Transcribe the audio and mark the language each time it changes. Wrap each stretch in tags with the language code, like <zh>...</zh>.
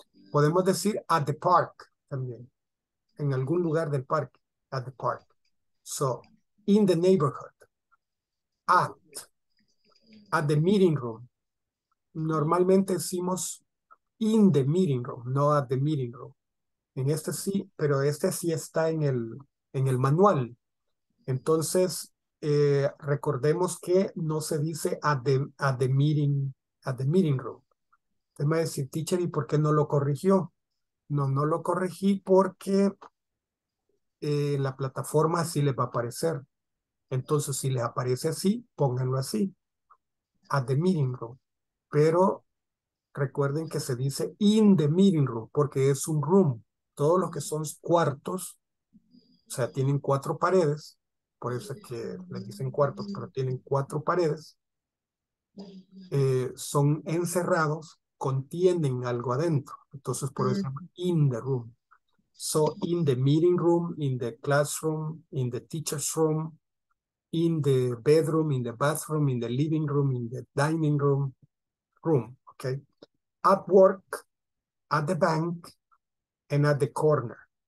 <es>Podemos decir</es> <en>at the park</en> <es>también. En algún lugar del parque,</es> <en>at the park. So, in the neighborhood, at the meeting room.</en> <es>Normalmente decimos</es> <en>in the meeting room,</en> <es>no</es> <en>at the meeting room.</en> <es>En este sí, pero este sí está en el manual. Entonces, recordemos que no se dice</es> <en>at the meeting room.</en> <es>Usted me va a decir, teacher, ¿y por qué no lo corrigió? No, no lo corregí porque en la plataforma así les va a aparecer. Entonces, si les aparece así, pónganlo así.</es> <en>At the meeting room.</en> <es>Pero recuerden que se dice</es> <en>in the meeting room</en> <es>porque es un room. Todos los que son cuartos, o sea, tienen cuatro paredes, por eso es que le dicen cuartos, pero tienen cuatro paredes, son encerrados, contienen algo adentro. Entonces, por eso</es> <en>in the room. So, in the meeting room, in the classroom, in the teacher's room, in the bedroom, in the bathroom, in the living room, in the dining room, room, okay? At work, at the bank, and at the corner.</en>